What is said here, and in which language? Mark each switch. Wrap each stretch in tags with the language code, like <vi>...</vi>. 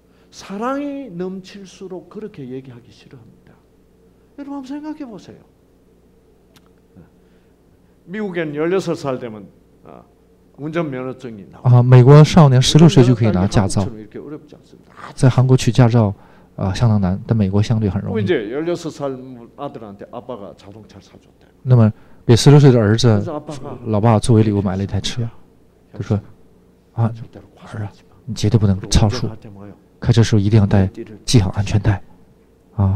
<ko>사랑이넘칠수록그렇게얘기하기싫어합니다여러분생각해보세요미국엔16살되면운전면허증이나</ko> <zh>와美国少年16岁就可以拿驾照在韩国取驾照相当难但美国相对很容易</zh> <ko>이제16살아들한테아빠가자동차사줬대</ko> <zh>那么给16岁的儿子老爸作为礼物买了一台车他说啊儿啊，你绝对不能超速，开车时候一定要带系好安全带，啊！</zh>